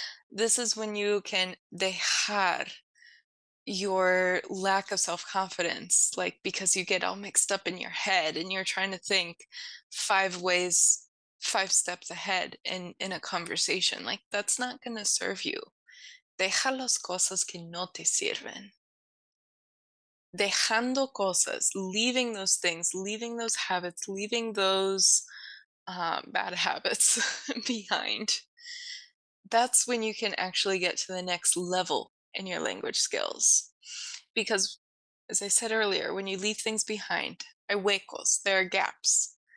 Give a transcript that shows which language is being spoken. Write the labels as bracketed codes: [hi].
[en] This is when you can dejar your lack of self-confidence, like, because you get all mixed up in your head and you're trying to think five steps ahead in a conversation. Like, that's not going to serve you. [es] Deja las cosas que no te sirven. Dejando cosas, [en] leaving those things, leaving those habits, leaving those bad habits behind. That's when you can actually get to the next level in your language skills. Because, as I said earlier, when you leave things behind, [es] hay huecos, [en] there are gaps.